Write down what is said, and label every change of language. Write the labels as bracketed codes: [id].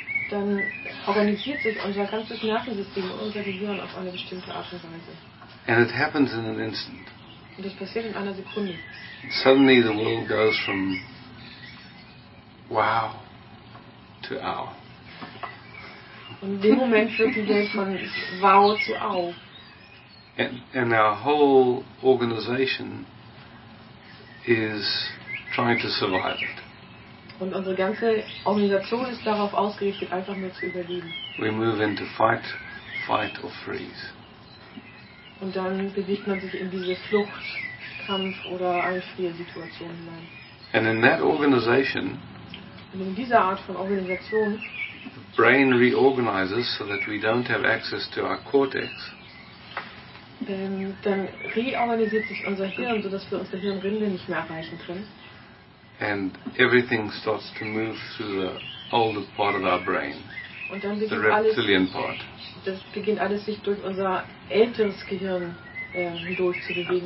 [de] Dann organisiert sich unser ganzes Nervensystem und unser Gehirn auf eine bestimmte Art und Weise. [en] And it happens in an instant. [de] Und das passiert in einer Sekunde. [en] And suddenly the world goes from wow to ow. [de] Und in dem Moment wird die Welt von wow zu ow. [en] And our whole organization is trying to survive it. [de] Und unsere ganze Organisation ist darauf ausgerichtet, einfach nur zu überleben. [en] We move into fight or freeze. [de] Und dann bewegt man sich in diese Flucht, Kampf oder Einfrier-Situation hinein. [en] And in that organization, [de] und in dieser Art von Organisation [en] brain reorganizes so that we don't have access to our cortex. [de] Dann reorganisiert sich unser Hirn, so dass wir unsere Hirnrinde nicht mehr erreichen können. [en] And everything starts to move through the older part of our brain. [de] Und dann [en] the reptilian part. [de] Das beginnt alles sich durch unser älteres Gehirn durchzubewegen.